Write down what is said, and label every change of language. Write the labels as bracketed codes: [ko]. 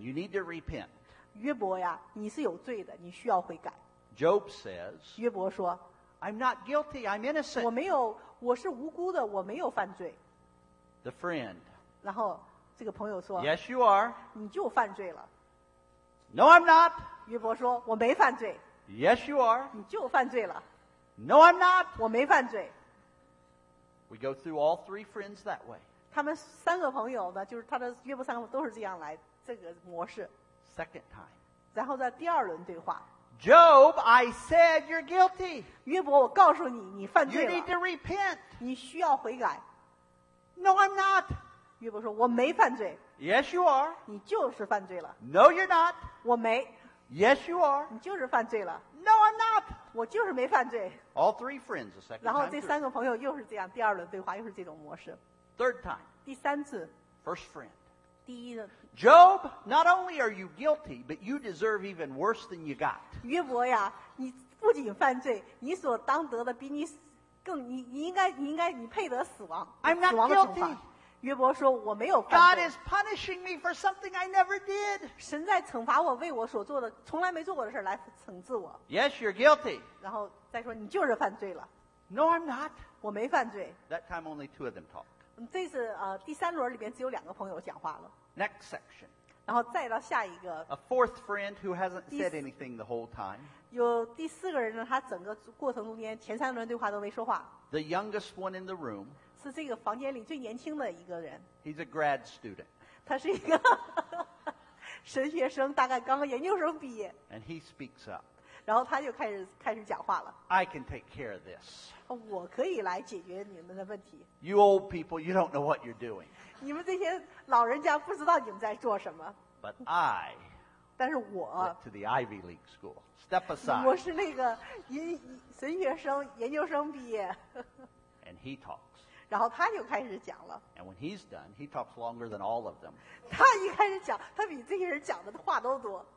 [en] You need to repent. [zh] 约伯呀，你是有罪的，你需要悔改。 [en] Job says, [zh] 约伯说， [en] I'm not guilty, I'm innocent. [zh] 我是无辜的，我没有犯罪。 [en] The friend. [zh] 然后这个朋友说， [en] Yes, you are. [zh] 你就犯罪了。 [en] No, I'm not. [zh] 约伯说，我没犯罪。 [en] Yes, you are. [zh] 你就犯罪了。 [en] No, I'm not. [zh] 我没犯罪。 [en] We go through all three friends that way. [zh] 他们三个朋友呢，就是他的约伯三个朋友都是这样来这个模式。 [en] Second time. [zh] 然后在第二轮对话。 [en] Job, I said you're guilty. [zh] 约伯，我告诉你，你犯罪了。 [en] You need to repent. [zh] 你需要悔改。 [en] No, I'm not. [zh] 约伯说，我没犯罪。 [en] Yes, you are. [zh] 你就是犯罪了。 [en] No, you're not. [zh] 我没。 [en] Yes, you are. [zh] 你就是犯罪了。 [en] No, I'm not. [zh] 我就是没犯罪。 [en] All three friends a second time. [zh] 然后这三个朋友又是这样，第二轮对话又是这种模式。 [en] Third time. [zh] 第三次。 [en] First friend. [zh] 第一个。 [en] Job, not only are you guilty, but you deserve even worse than you got. [zh] 约伯呀，你不仅犯罪，你所当得的比你更你应该你配得死亡。 [en] I'm not guilty. [zh] 约伯说，我没有犯罪。 [en] God is punishing me for something I never did. [zh] 神在惩罚我，为我所做的从来没做过的事来惩治我。 [en] Yes, you're guilty. [zh] 然后再说你就是犯罪了。 [en] No, I'm not. [zh] 我没犯罪。 [en] That time only two of them talked. [zh] 这次第三轮里边只有两个朋友讲话了。 [en] Next section. [zh] 然后再到下一个。 [en] A fourth friend who hasn't said anything the whole time. [zh] 有第四个人呢，他整个过程中间前三轮对话都没说话。 [en] The youngest one in the room. [zh] 是这个房间里最年轻的一个人。 [en] He's a grad student. [zh] 他是一个神学生，大概刚刚研究生毕业。 [en] And he speaks up. [zh] 然后他就开始讲话了。 [en] I can take care of this. [zh] 我可以来解决你们的问题。 [en] You old people, you don't know what you're doing. [zh] 你们这些老人家不知道你们在做什么。 [en] But I. [zh] 但是我。 [en] Went to the Ivy League school. Step aside. [zh] 我是那个神学生研究生毕业。 [en] And he talked. [zh] 然后他就开始讲了。 [en] And when he's done, he talks longer than all of them. [zh] 他一开始讲，他比这些人讲的话都多。